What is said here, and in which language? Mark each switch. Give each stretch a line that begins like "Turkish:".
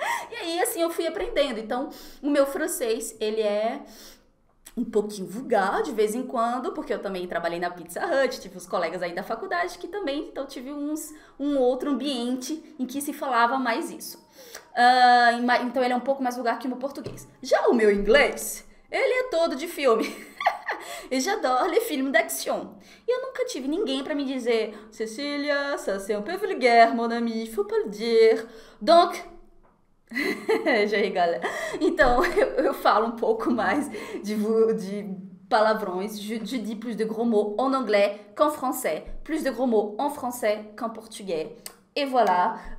Portuguese: E aí, assim, eu fui aprendendo. Então, o meu francês, ele é um pouquinho vulgar de vez em quando, porque eu também trabalhei na Pizza Hut, tive os colegas aí da faculdade que também, então tive um outro ambiente em que se falava mais isso. Então ele é um pouco mais vulgar que o meu português. Já o meu inglês, ele é todo de filme.
French: Et j'adore les films d'action.
Portuguese: E eu nunca tive ninguém para me dizer,
French: Cecília, ça c'est un peu vulgaire, mon ami, faut pas le dire. Donc,
Portuguese: já regala. Então, eu falo um pouco mais de palavrões.
French: Je dis plus de gros mots en anglais qu'en français. Plus de gros mots en français qu'en portugais. Et voilà.